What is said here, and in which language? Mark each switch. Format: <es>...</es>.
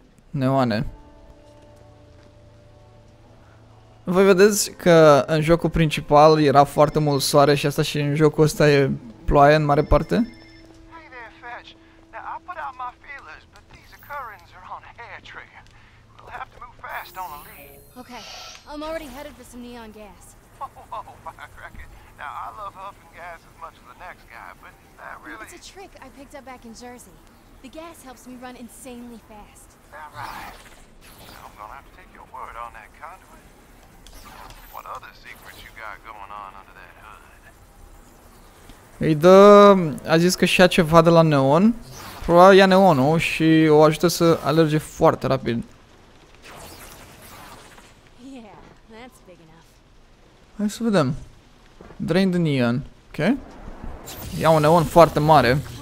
<ro>Neoane. Voi vedeți că în jocul principal era foarte mult soare și asta și în jocul ăsta e ploaie în mare parte?</ro> <en>Hey there, Fetch. Now I put out my feelers, but these occurrences are on hair trigger. We'll have to move fast on the lead. Okay, I'm already headed for some neon gas. Whoa, whoa, firecracker. Now I love huffing gas as much as the next guy, but is that really... It's a trick I picked up back in Jersey. The gas helps me run insanely fast. All right. I'm gonna have to take your word on that conduit. What other secrets you got going on under that hood?</en> <ro>Îi dă... a zis că și-a ceva de la Neon. Probabil ia Neonul și o ajută să alerge foarte rapid.</ro> <en>Yeah, that's big enough.</en> <ro>Hai să vedem.</ro> <en>Drain the neon.</en> <ro>Ok. Ia un neon foarte mare.</ro>